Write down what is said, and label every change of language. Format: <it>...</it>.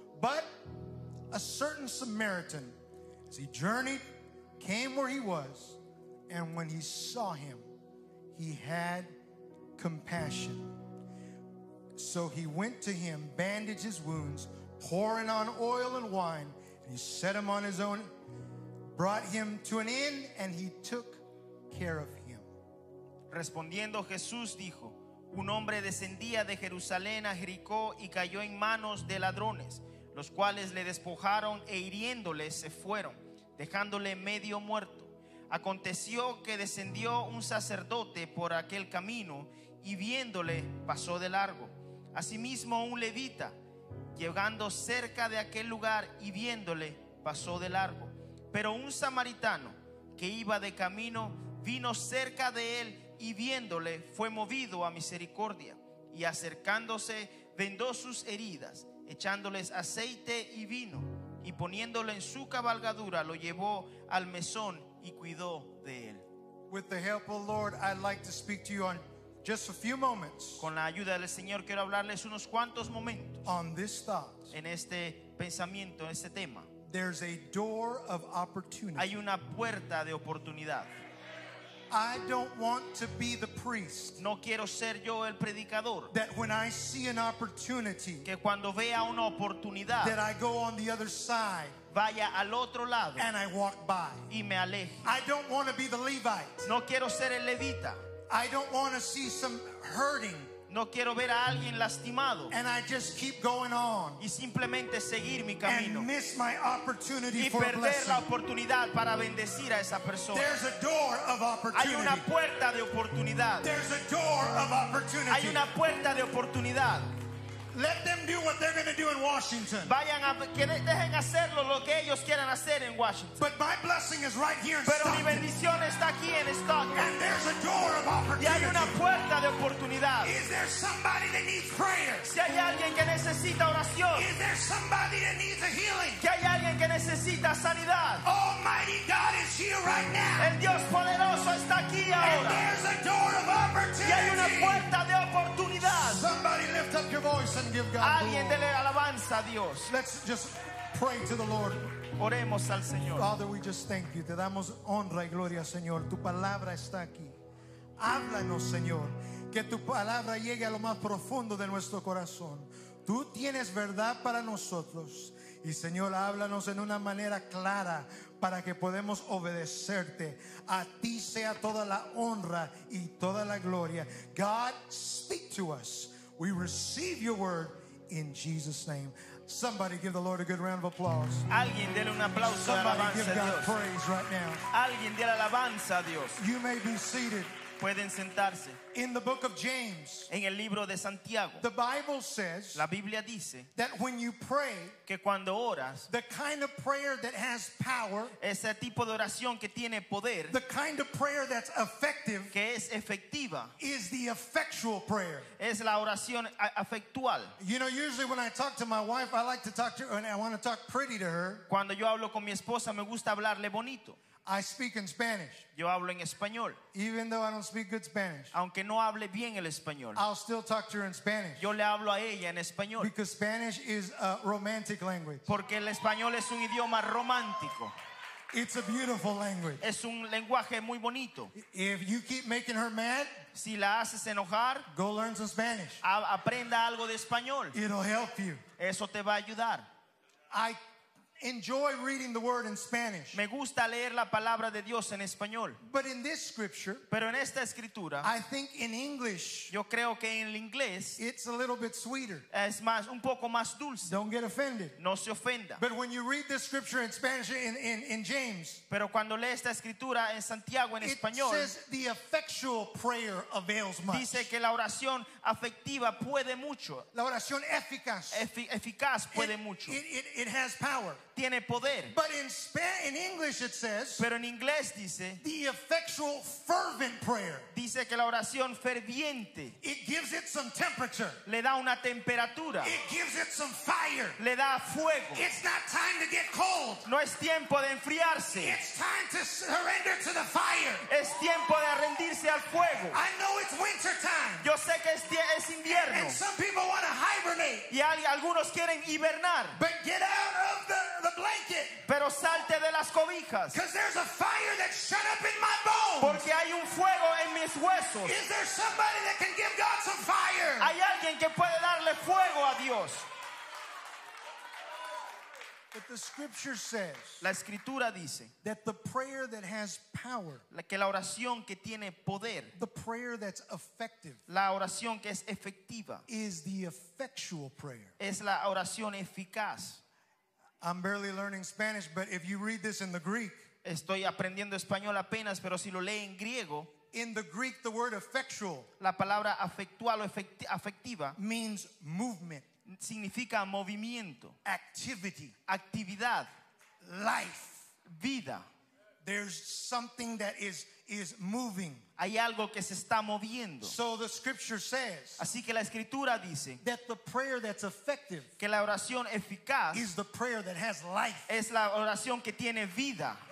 <en>But a certain Samaritan, as he journeyed, came where he was, and when he saw him, he had compassion. So he went to him, bandaged his wounds, pouring on oil and wine, and he set him on his own, brought him to an inn, and he took care of him.</en> <es>Respondiendo Jesús dijo, un hombre descendía de Jerusalén a Jericó y cayó en manos de ladrones, los cuales le despojaron e hiriéndole se fueron, dejándole medio muerto. Aconteció que descendió un sacerdote por aquel camino y viéndole pasó de largo. Asimismo un levita, llegando cerca de aquel lugar y viéndole, pasó de largo. Pero un samaritano que iba de camino vino cerca de él y viéndole fue movido a misericordia, y acercándose vendó sus heridas, echándoles aceite y vino, y poniéndole en su cabalgadura lo llevó al mesón y cuidó de él.</es> <en>With the help of the Lord, I'd like to speak to you on just a few moments.</en> <es>Con la ayuda del Señor quiero hablarles unos cuantos momentos.</es> <en>On this thought.</en> <es>En este pensamiento, en este tema.</es> <en>There's a door of opportunity.</en> <es>Hay una puerta de oportunidad.</es> <en>I don't want to be the priest.</en> <es>No quiero ser yo el predicador.</es> <en>That when I see an opportunity.</en> <es>Que cuando vea una oportunidad.</es> <en>That I go on the other side.</en> <es>Vaya al otro lado.</es> <en>And I walk by.</en> <es>Y me aleje.</es> <en>I don't want to be the Levite.</en> <es>No quiero ser el levita.</es> <en>I don't want to see some hurting.</en> <es>No quiero ver a alguien lastimado.</es> <en>And I just keep going on.</en> <es>Y simplemente seguir mi camino.</es> <en>And miss my opportunity</en> <es>y</es> <en>for a blessing.</en> <es>Y perder la oportunidad para bendecir a esa persona.</es> <en>There's a door of opportunity.</en> <es>Hay una puerta de oportunidad.</es> <en>There's a door of opportunity.</en> <es>Hay una puerta de oportunidad.</es> <en>Let them do what they're going to do in Washington.</en> <es>Vayan a que dejen hacerlo lo que ellos quieran hacer en Washington.</es> <en>But my blessing is right here in</en> <es>Pero</es> <en>Stockton.</en> <es>Mi bendición está aquí en Stockton.</es> <en>And there's a door of opportunity.</en> <es>Y hay una puerta de oportunidad.</es> <en>Is there somebody that needs prayer?</en> <es>Si hay alguien que necesita oración.</es> <en>Is there somebody that needs a healing?</en> <es>Que hay alguien que necesita sanidad.</es> <en>Almighty God is here right now.</en> <es>El Dios poderoso está aquí ahora.</es> <en>And there's a door of opportunity.</en> <es>Y hay una puerta de oportunidad.</es> <en>Somebody lift up your voice.</en> <es>Alguien dele alabanza a Dios.</es> <en>Let's just pray to the Lord.</en> <es>Oremos al Señor.</es> <en>Father, we just thank you.</en> <es>Te damos honra y gloria, Señor. Tu palabra está aquí. Háblanos, Señor. Que tu palabra llegue a lo más profundo de nuestro corazón. Tú tienes verdad para nosotros. Y Señor, háblanos en una manera clara para que podamos obedecerte. A ti sea toda la honra y toda la gloria.</es> <en>God, speak to us. We receive your word in Jesus' name. Somebody give the Lord a good round of applause.</en> <es>Alguien dele un aplauso.</es> <en>Somebody</en> <es>alabanza</es> <en>give God</en> <es>a Dios.</es> <en>Praise right now.</en> <es>Alguien dele alabanza a Dios.</es> <en>You may be seated.</en> <es>Pueden sentarse.</es> <en>In the book of James,</en> <es>en el libro de Santiago,</es> <en>the Bible says,</en> <es>la Biblia dice,</es> <en>that when you pray,</en> <es>que cuando oras,</es> <en>the kind of prayer that has power,</en> <es>ese tipo de oración que tiene poder,</es> <en>the kind of prayer that's effective,</en> <es>que es efectiva,</es> <en>is the effectual prayer,</en> <es>es la oración efectual.</es> <en>You know, usually when I talk to my wife, I like to talk to her, and I want to talk pretty to her.</en> <es>Cuando yo hablo con mi esposa, me gusta hablarle bonito.</es> <en>I speak in Spanish.</en> <es>Yo hablo en español.</es> <en>Even though I don't speak good Spanish.</en> <es>Aunque no hable bien el español.</es> <en>I'll still talk to her in Spanish.</en> <es>Yo le hablo a ella en español.</es> <en>Because Spanish is a romantic language.</en> <es>Porque el español es un idioma romántico.</es> <en>It's a beautiful language.</en> <es>Es un lenguaje muy bonito.</es> <en>If you keep making her mad,</en> <es>si la haces enojar,</es> <en>go learn some Spanish.</en> <es>Aprenda algo de español.</es> <en>It'll help you.</en> <es>Eso te va a ayudar.</es> <en>I enjoy reading the word in Spanish.</en> <es>Me gusta leer la palabra de Dios en español.</es> <en>But in this scripture,</en> <es>pero en esta escritura,</es> <en>I think in English,</en> <es>yo creo que en el inglés,</es> <en>it's a little bit sweeter.</en> <es>Es más, un poco más dulce.</es> <en>Don't get offended.</en> <es>No se ofenda.</es> <en>But when you read this scripture in Spanish in James,</en> <es>pero cuando lees esta escritura en Santiago en</es> <en>it</en> <es>español,</es> <en>says the effectual prayer avails much.</en> <es>Dice que la oración afectiva puede mucho. La oración eficaz. Eficaz puede mucho.</es> <en>It has power.</en> <es>Tiene poder.</es> <en>But in English it says,</en> <es>pero en inglés dice,</es> <en>the effectual fervent prayer.</en> <es>Dice que la oración ferviente,</es> <en>it gives it some temperature.</en> <es>Le da una temperatura.</es> <en>It gives it some fire.</en> <es>Le da fuego.</es> <en>It's not time to get cold.</en> <es>No es tiempo de enfriarse.</es> <en>It's time to surrender to the fire.</en> <es>Es tiempo de rendirse al fuego.</es> <en>I know it's winter time.</en> <es>Yo sé que es invierno.</es> <en>And some people want to hibernate.</en> <es>Y algunos quieren hibernar.</es> <en>But get out of the blanket.</en> <es>Pero salte de las cobijas.</es> <en>Because there's a fire that's shut up in my bones.</en> <es>Porque hay un fuego en mis huesos.</es> <en>Is there somebody that can give God some fire?</en> <es>Hay alguien que puede darle fuego a Dios.</es> <en>But the scripture says,</en> <es>la escritura dice,</es> <en>that the prayer that has power,</en> <es>que la oración que tiene poder,</es> <en>the prayer that's effective,</en> <es>la oración que es efectiva,</es> <en>is the effectual prayer.</en> <es>Es la oración eficaz.</es> <en>I'm barely learning Spanish, but if you read this in the Greek,</en> <es>estoy aprendiendo español apenas, pero si lo lee en griego,</es> <en>in the Greek the word effectual,</en> <es>la palabra afectual o afectiva,</es> <en>means movement,</en> <es>significa movimiento,</es> <en>activity,</en> <es>actividad,</es> <en>life,</en> <es>vida.</es> <en>There's something that is moving.</en> <es>Hay algo que se está moviendo.</es> <en>So the scripture says,</en> <es>así que la escritura dice,</es> <en>that the prayer that's effective,</en> <es>que la oración eficaz,</es> <en>is the prayer that has life.</en> <es>Es la oración que tiene vida.</es>